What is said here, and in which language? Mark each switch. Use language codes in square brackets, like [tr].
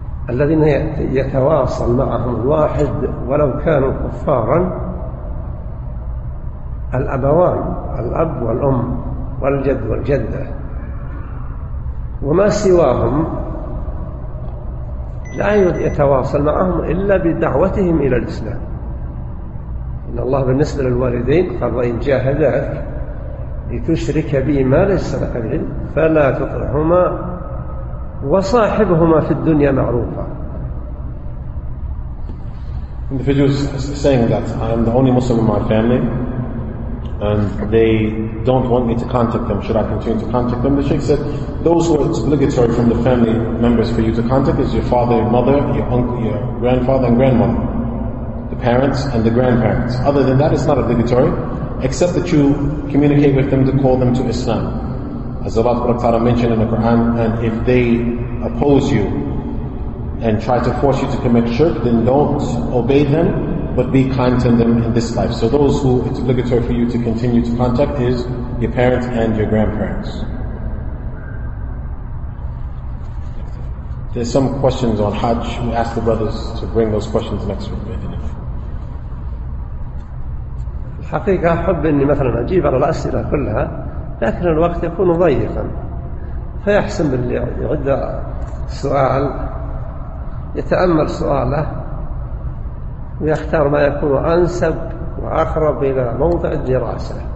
[ar] الذين يتواصل معهم الواحد ولو كانوا كفارا الأبوان الأب والأم والجد والجدة وما سواهم لا يتواصل معهم إلا بدعوتهم إلى الإسلام. إن الله بالنسبة للوالدين قال وإن جاهداك لتشرك بي ما ليس لك به فلا تطعهما وصاحبهما في الدنيا معروفا. [en] Individuals saying that I am the only Muslim in my family and they don't want me to contact them, should I continue to contact them? The Sheikh said, those who are obligatory from the family members for you to contact is your father, your mother, your uncle, your grandfather and grandmother, the parents and the grandparents. Other than that, it's not obligatory, except that you communicate with them to call them to Islam. As Allah subhanahu wa ta'ala mentioned in the Quran, and if they oppose you and try to force you to commit shirk, then don't obey them, but be kind to them in this life. So those who it's obligatory for you to continue to contact is your parents and your grandparents. There's some questions on Hajj. We ask the brothers to bring those questions next week. [ar] الحقيقة أحب أني مثلا أجيب على الأسئلة كلها لكن الوقت يكون ضيقا فيحسن باللي يعد سؤال يتأمل سؤاله ويختار ما يكون أنسب وأقرب إلى موضع الدراسة.